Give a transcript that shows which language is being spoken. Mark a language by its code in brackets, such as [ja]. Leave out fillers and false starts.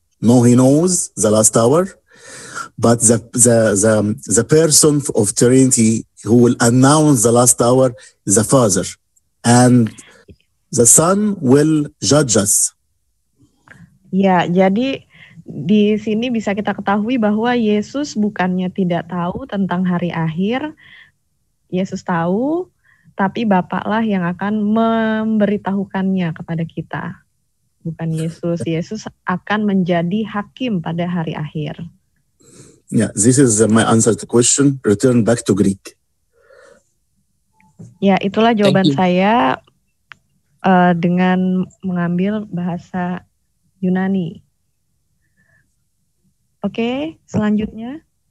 [en] No, he knows the last hour, but the person of Trinity who will announce the last hour is the Father, and the Son will judge us. [id] Ya, jadi di sini bisa kita ketahui bahwa Yesus bukannya tidak tahu tentang hari akhir. Yesus tahu, tapi Bapaklah yang akan memberitahukannya kepada kita. Bukan Yesus. Yesus akan menjadi hakim pada hari akhir. [en] Yeah, this is my answer to the question. Return back to Greek. [id] Ya, itulah jawaban saya dengan mengambil bahasa Yunani. Okay, selanjutnya.